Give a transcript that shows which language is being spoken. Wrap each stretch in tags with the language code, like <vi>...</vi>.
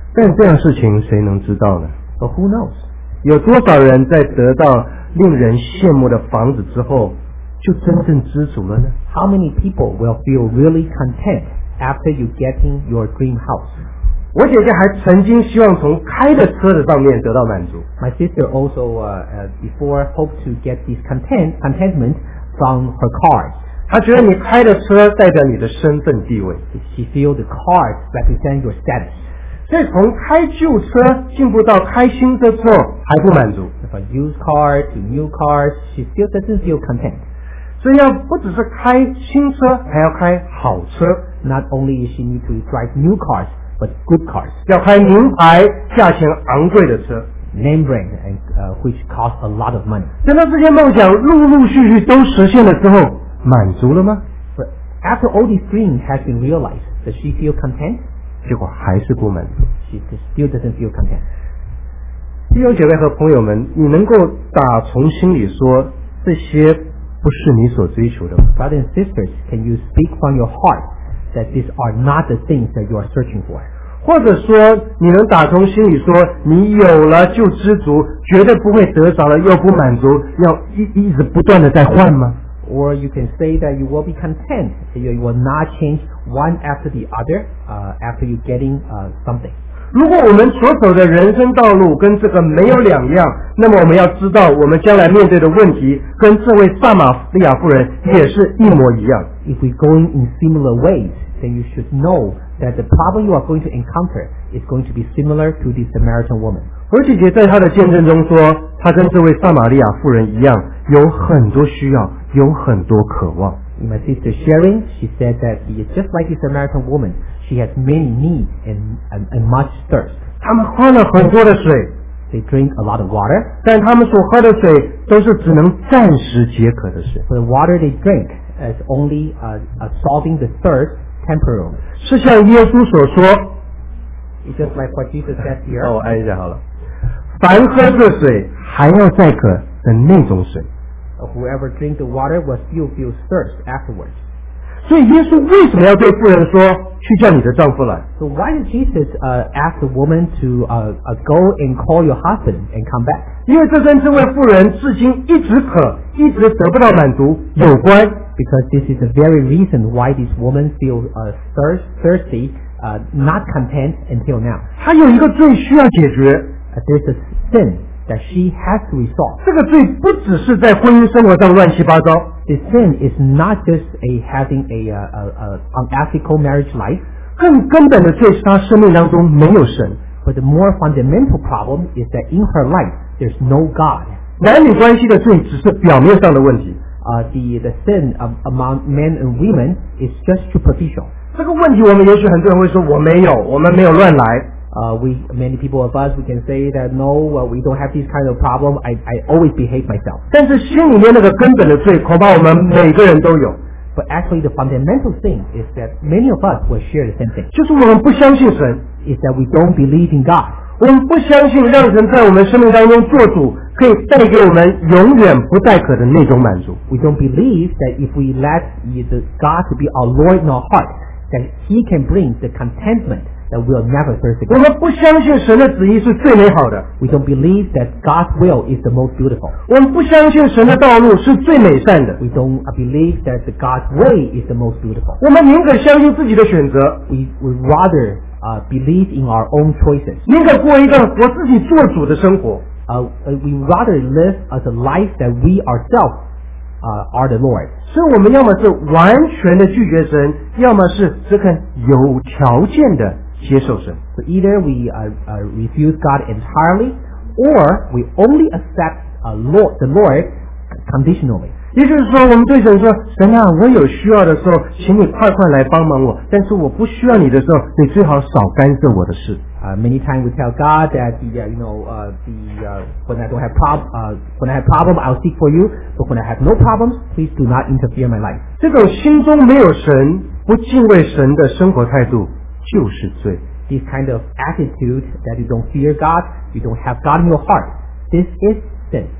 <zh>但这样事情谁能知道呢</zh> <en>But who knows</en> <zh>有多少人在得到令人羡慕的房子之后就真正知足了呢</zh> <en>How many people will feel really content after you getting your dream house?</en> <zh>我姐姐还曾经希望从开的车子上面得到满足</zh> <en>My sister also before hoped to get this contentment from her cars</en> <zh>她觉得你开的车代表你的身份地位</zh> <en>She feels the cars represent your status</en> <zh>所以从开旧车进步到开新车之后还不满足</zh> <en>From used car to new cars she still doesn't feel content</en> <zh>所以要不只是开新车还要开好车</zh> <en>Not only is she need to drive new cars but good cars</en> <zh>要开名牌价钱昂贵的车</zh> <en>Name brand and, which cost a lot of money</en> <zh>等到这些梦想陆陆续续都实现了之后满足了吗</zh> <en>But after all these dreams have been realized does she feel content?</en> <zh>结果还是不满足</zh> <en>She still doesn't feel content</en> <zh>弟兄姐妹和朋友们你能够打从心里说这些不是你所追求的</zh> <en>Brothers and sisters, can you speak from your heart that these are not the things that you are searching for?</en> <zh>或者说你能打从心里说你有了就知足绝对不会得着了又不满足要 一直不断的在换吗</zh> <en>Or you can say that you will be content that you will not change one after the other after you getting something.</en> <zh>如果我们所走的人生道路跟这个没有两样那么我们要知道我们将来面对的问题跟这位撒玛利亚妇人也是一模一样</zh> <en>If we're going in similar ways then you should know that the problem you are going to encounter is going to be similar to the Samaritan woman</en> <zh>何姐姐在她的见证中说她跟这位撒玛利亚妇人一样有很多需要有很多渴望</zh> <en>In my sister sharing she said that just like the Samaritan womanShe has many needs and much thirst.</en> <zh>他们喝了很多的水</zh> <en>They drink a lot of water.</en> <zh>但他们所喝的水都是只能暂时解渴的水</zh> <en>So the water they drink is only solving the thirst temporarily.</en> <zh>是像耶稣所说</zh> <en>It's just like what Jesus said here.</en> <zh>让我按一下好了。凡喝这水还要再渴的那种水</zh> <en>Whoever drinks the water will still feel thirst afterwards.</en> <zh>所以耶稣为什么要对妇人说去叫你的丈夫来</zh> <en>So why did Jesus ask the woman to go and call your husband and come back</en> <zh>因为这跟这位妇人至今一直渴一直得不到满足有关</zh> <en>Because this is the very reason why this woman feels thirsty not content until now</en> <zh>她有一个罪需要解决</zh> <en>There's a sin that she has to resolve</en> <zh>这个罪不只是在婚姻生活上乱七八糟</zh> <en>The sin is not just having an unethical marriage life.</en> <zh>更根本的罪是她生命当中没有神。</zh> <en>But the more fundamental problem is that in her life, there's no God.</en> <zh>男女关系的罪只是表面上的问题。</zh> <en>The sin among men and women is just superficial.</en> <zh>这个问题我们也许很多人会说我没有，我们没有乱来。</zh> <en>Many people of us, we can say that no, we don't have this kind of problem. I always behave myself.</en> <zh>但是心里面那个根本的罪，恐怕我们每个人都有。</zh> <en>But actually, the fundamental thing is that many of us will share the same thing.</en> <zh>就是我们不相信神。</zh> <en>Is that we don't believe in God.</en> <zh>我们不相信让神在我们生命当中做主，可以带给我们永远不再渴的那种满足。</zh> <en>We don't believe that if we let the God to be our Lord in our heart, that He can bring the contentment. That we'll never thirst again.</en> <zh>我们不相信神的旨意是最美好的。</zh> <en>We don't believe that God's will is the most beautiful.</en> <zh>我们不相信神的道路是最美善的。</zh> <en>We don't believe that God's way is the most beautiful.</en> <zh>我们宁可相信自己的选择。</zh> <en>We rather believe in our own choices.</en> <zh>宁可过一个我自己做主的生活。</zh> <en>We rather live as a life that we ourselves are the Lord.</en> <zh>所以我们要么是完全的拒绝神，要么是只肯有条件的接受神。</zh> <en>So either we refuse God entirely, or we only accept the Lord conditionally.</en> <zh>也就是说我们对神说，神啊，我有需要的时候请你快快来帮忙我，但是我不需要你的时候你最好少干涉我的事。</zh> <en>Many times we tell God that when I have problem, I'll seek for you, but when I have no problems, please do not interfere in my life.</en> <zh>这种心中没有神不敬畏神的生活态度就是罪。</zh> <en>This kind of attitude that you don't fear God, you don't have God in your heart, this is sin.</en>